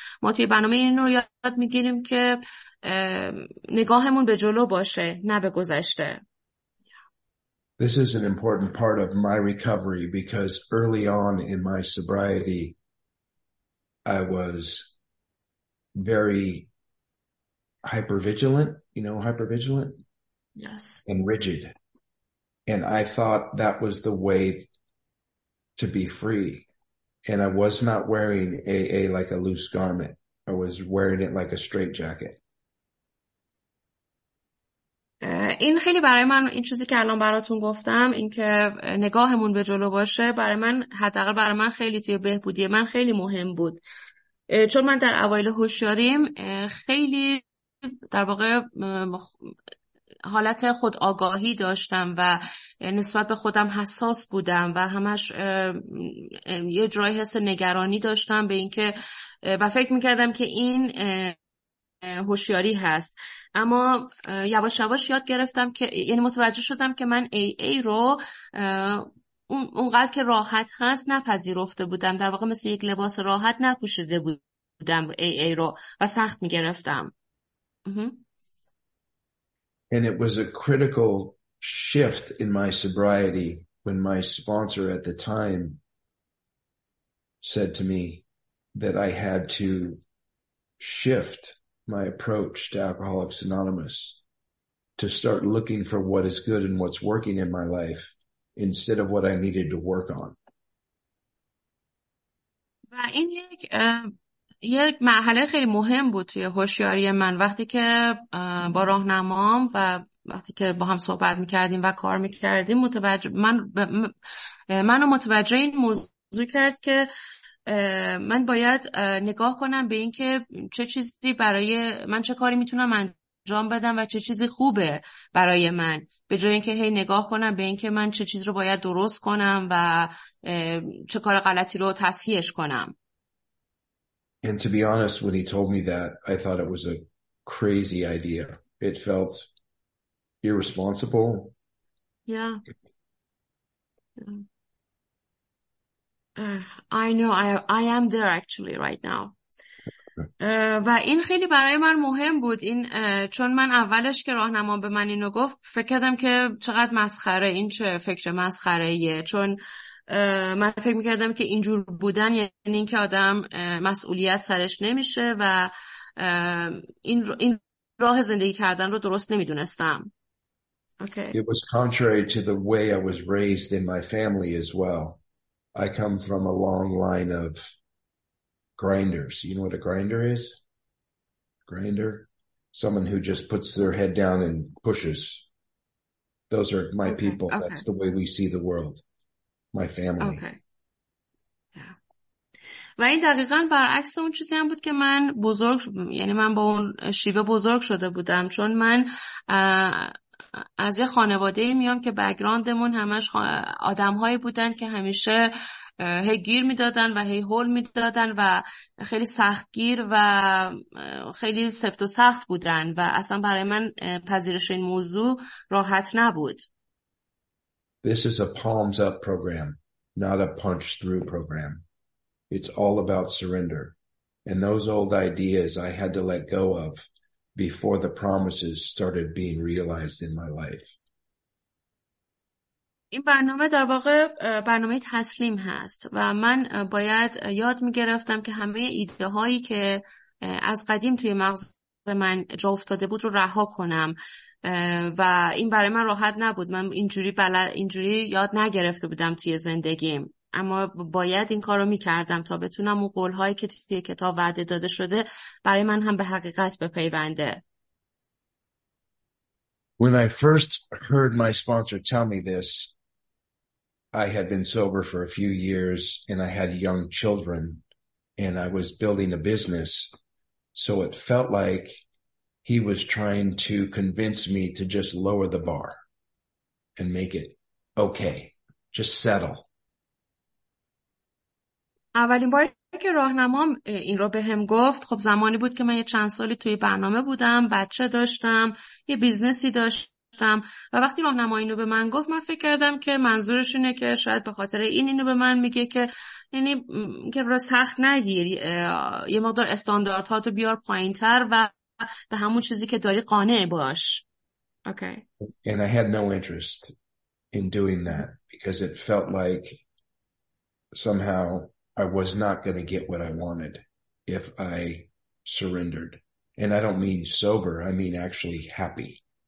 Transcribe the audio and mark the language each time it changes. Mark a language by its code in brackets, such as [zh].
[fa] ما توی برنامه این رو یاد میگیریم که نگاهمون به جلو باشه نه به گذشته. [en] This is an important part of my recovery because early on in my sobriety I was very hypervigilant, you know, hypervigilant? Yes. And rigid. And I thought that was the way to be free. And I was not wearing AA like a loose garment. I was wearing it like a straight jacket. [fa] این خیلی برای من این چیزی که الان براتون گفتم این که نگاهمون به جلو باشه برای من حداقل برای من خیلی توی بهبودی من خیلی مهم بود. چون من در اوایل هوشیاریم خیلی در واقع حالت خود آگاهی داشتم و نسبت به خودم حساس بودم و همش یه جورای حس نگرانی داشتم به این که و فکر میکردم که این هوشیاری هست. اما یواش یواش یاد گرفتم که یعنی متوجه شدم که من AA رو اونقدر که راحت هست نپذیرفته بودم. در واقع مثل یک لباس راحت نپوشیده بودم AA رو و سخت می گرفتم. [en] And it was a critical shift in my sobriety when my sponsor at the time said to me that I had to shift my approach to Alcoholics Anonymous to start looking for what is good and what's working in my life instead of what I needed to work on. [fa] و این یک مرحله خیلی مهم بود توی هوشیاری من وقتی که با راهنمام و وقتی که با هم صحبت میکردیم و کار میکردیم متوجه من منو متوجه این موضوع کرد که من باید نگاه کنم به اینکه چه چیزی برای من، چه کاری میتونم انجام بدم و چه چیزی خوبه برای من، به جای اینکه هی نگاه کنم به اینکه من چه چیزی رو باید درست کنم و چه کار غلطی رو تصحیحش کنم. [en] And to be honest, when he told me that, I thought it was a crazy idea. It felt irresponsible. Yeah. Yeah. I know, I am there actually right now. [fa] و این خیلی برای من مهم بود، این چون من اولش که راهنما به من اینو گفت فکر کردم که چقدر مسخره، این چه فکر مسخره ایه، چون من فکر میکردم که اینجور بودن یعنی این که آدم مسئولیت سرش نمیشه و این راه زندگی کردن رو درست نمیدونستم. [en] Okay. It was contrary to the way I was raised in my family as well. I come from a long line of grinders. You know what a grinder is? Grinder? Someone who just puts their head down and pushes. Those are my okay. people. Okay. That's the way we see the world. My family. Okay. [fa] و این دقیقا برعکس اون چیزی هم بود که من بزرگ، یعنی من با اون شیوه بزرگ شده بودم، چون من از یه خانواده میام که بکگراندمون همش آدمهایی بودن که همیشه هی گیر میدادن و هی هول میدادن و خیلی سختگیر و خیلی سفت و سخت بودن و اصلا برای من پذیرش این موضوع راحت نبود. [en] This is a palms up program, not a punch through program. It's all about surrender. And those old ideas I had to let go of before the promises started being realized in my life. [fa] این برنامه در واقع برنامه تسلیم هست و من باید یاد می‌گرفتم که همه ایده هایی که از قدیم توی مغز من جا افتاده بود رو رها کنم و این برای من راحت نبود. من اینجوری یاد نگرفته بودم توی زندگیم، اما باید این کار رو می‌کردم تا بتونم اون قول‌هایی که توی کتاب وعده داده شده برای من هم به حقیقت بپیونده. [en] When I first heard my sponsor tell me this, I had been sober for a few years and I had young children and I was building a business. So it felt like he was trying to convince me to just lower the bar and make it okay, just settle. [fa] اولین باری که راهنمام این رو به هم گفت، خب زمانی بود که من یه چند سالی توی برنامه بودم، بچه داشتم، یه بیزنسی داشتم و وقتی راهنما اینو به من گفت، من فکر کردم که منظورش اینه که شاید به خاطر اینو به من میگه که یعنی که رو سخت نگیر، یه مقدار استانداردهاتو بیار پایین تر و به همون چیزی که داری قانع باش. [en] Okay. And I had no interest in doing that because it felt like somehow I was not going to get what I wanted if I surrendered. And I don't mean sober, I mean actually happy.